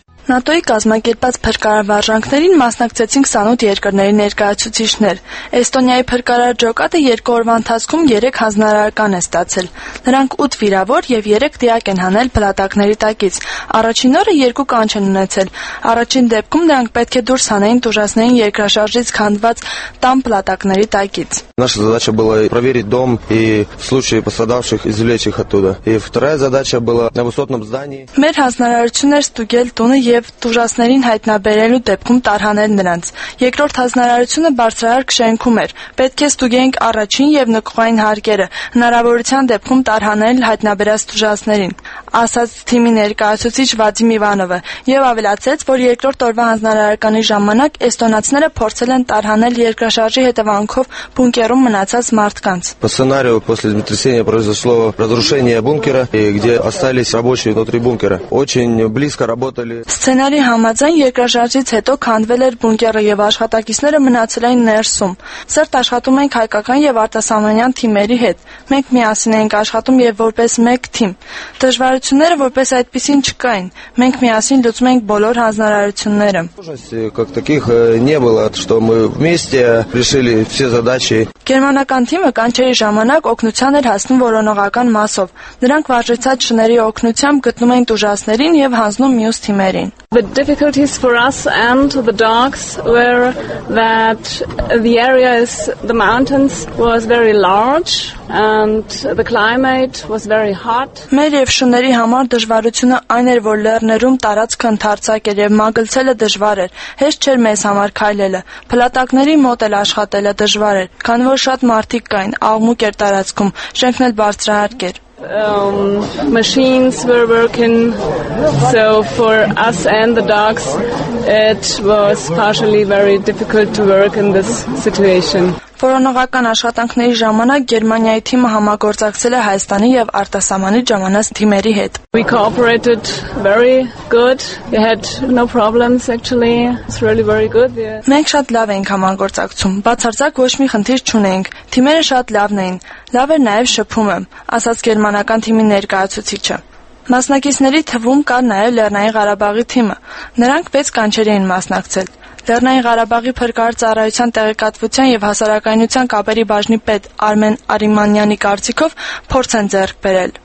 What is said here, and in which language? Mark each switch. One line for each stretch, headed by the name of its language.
Armenian: ՆԱՏՕ-ի կազմակերպած փրկարարվարժանքներին մասնակցեցին 28 երկրների ներկայացուցիչներ։ Էստոնիայի փրկարար ջոկատը 2 օրվա ընթացքում 3 հանձնարարական է ստացել։ Նրանք 8 վիրավոր եւ 3 դիակ են հանել փլատակների տակից։ Առաջին օրը 2 կանչ են ունեցել։ Առաջին դեպքում նրանք պետք է դուրս հանեին դուժասնային երկրաշարժից քանդված տամ փլատակների տակից։
Russian: Наша задача была проверить дом и случаи пострадавших извлечь их оттуда. И вторая задача была на высотном здании.
Armenian: Մեր հանձնարարություններ ստուգել տունը եւ դուժասներին հայտնաբերելու դեպքում տարհանել նրանց։ Երկրորդ հանձնարարությունը բարձրահարկ շենքում էր։ Պետք է ստուգենք առաջին եւ նկուղային հարկերը, հնարավորության դեպքում տարհանել հայտնաբերած դուժասներին, ասաց թիմի ներկայացուցիչ Վադիմ Իվանովը, եւ ավելացեց, որ երկրորդ օրվա հանձնարարականի ժամանակ էստոնացիները փորձել են տարհանել երկրաշարժի հետևանքով бункером մնացած մարդկանց.
Russian: По сценарию после землетрясения произошло разрушение бункера, и где остались рабочие внутри бункера. Очень близко работали.
Armenian: Сценарի համաձայն երկրաշարժից հետո քանդվել էր բունկերը եւ աշխատակիցները մնացել էին ներսում։ Սերտ աշխատում էին հայկական եւ արտասահմանյան թիմերի հետ։ Մենք միասին էինք աշխատում եւ որպես մեկ թիմ։ Դժվարությունները որպես այդպեսին չկային։ Մենք միասին լուծում ենք բոլոր հանձնարարությունները։
Russian: Как таких не было, что мы вместе решили все задачи.
Armenian: Գերմանական թիմը կանչերի ժամանակ օգնության էր հասնում որոնողական մասով։ Նրանք վարժեցած շների օգնությամբ գտնում էին դուժասներին եւ հանձնում մյուս թիմերին։
English: The difficulties for us and the dogs were that the area is the mountains was very large and the climate was very hot.
Armenian: Մեր եւ շների համար դժվարությունը այն էր, որ լեռներում տարածքը ընդարձակ էր եւ մագլցելը դժվար էր։ Հեշտ չէր մեզ համար քայլելը։ Փլատակների մոտ էլ աշխատելը դժվար էր, քանի որ շատ մարդիկ կային, աղմուկ էր տարածքում, շենքն էլ բարձրահարկ էր։
English: Machines were working, so for us and the dogs, it was partially very difficult to work in this situation.
Armenian: Որոնողական աշխատանքների ժամանակ Գերմանիայի թիմը համագործակցել է Հայաստանի եւ արտասահմանի ժամանած թիմերի հետ։
English: We cooperated very good. We had no problems actually. It's really very good.
Armenian: Մենք շատ լավ ենք համագործակցում։ Բացարձակ ոչ մի խնդիր չունենք։ Թիմերը շատ լավն էին։ Լավ էր նաեւ շփումը, ասաց գերմանական թիմի ներկայացուցիչը։ Մասնակիցների թվում կա նաեւ Լեռնային Ղարաբաղի թիմը։ Նրանք 6 կանչեր էին մասնակցել։ Լեռնային Ղարաբաղի փրկարար ծառայության տեղեկատվության եւ հասարակայնության կապերի բաժնի պետ Արմեն Արիմանյանի կարծիքով փորձ են ձեռք բերել։